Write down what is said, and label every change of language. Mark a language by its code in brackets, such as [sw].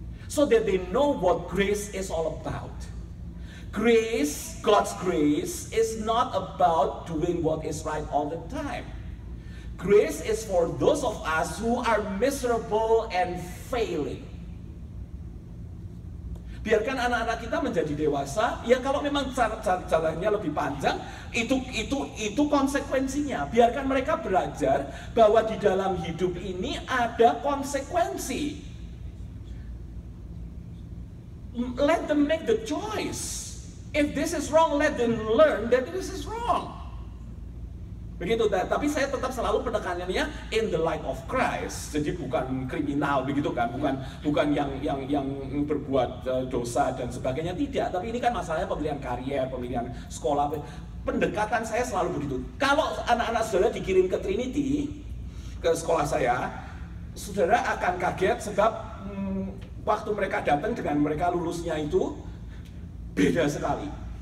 [en] So that they know what grace is all about. Grace, God's grace, is not about doing what is right all the time. Grace is for those of us who are miserable and failing. [id] Biarkan anak-anak kita menjadi dewasa, ya kalau memang caranya lebih panjang, itu konsekuensinya. Biarkan mereka belajar bahwa di dalam hidup ini ada konsekuensi. [en] Let them make the choice. If this is wrong, let them learn that this is wrong. [id] Begitu, tapi saya tetap selalu penekanannya [en] in the light of Christ. [id] Jadi bukan kriminal begitu kan, bukan yang berbuat dosa dan sebagainya, tidak. Tapi ini kan masalahnya pemilihan karier, pemilihan sekolah. Pendekatan saya selalu begitu. Kalau anak-anak saudara dikirim ke Trinity, ke sekolah saya, saudara akan kaget sebab waktu mereka datang dengan mereka lulusnya itu beda sekali.